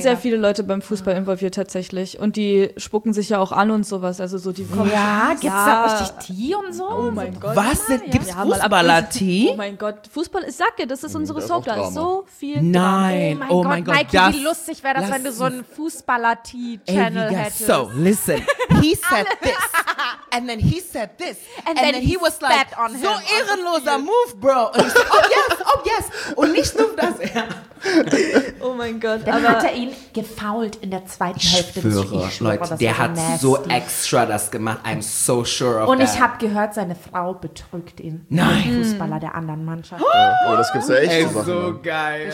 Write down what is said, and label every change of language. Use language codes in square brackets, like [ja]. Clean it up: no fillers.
[de] Sind sehr viele Leute beim Fußball involviert tatsächlich und die spucken sich ja auch an und sowas. Also so die kommen ja, gibt es ja. Da richtig Tee und so? Oh mein Gott. Was? Ja, gibt es ja. Fußballer-Tee? Oh mein Gott, Fußball, ich sag dir, das ist unsere Soap, da ist so viel Drama. Nein, oh mein Gott. Mikey, wie lustig wäre das, wenn du so einen Fußballer-Tee-Channel hättest. [en] So, listen, he said this, and then he said this, and then he was like, [de] so ehrenloser Move, bro. Und ich so, [en] oh yes, oh yes. [de] Und nicht nur das. Oh mein Gott. Dann hat er ihn gefoult in der zweiten Hälfte. Ich schwöre, Leute, der hat so extra das gemacht. [en] I'm so sure of that. [de] Und ich habe gehört, seine Frau betrügt ihn. Nein. Fußballer der anderen Mannschaft. Oh, das gibt's ja echt. Ey, Sachen, so geil.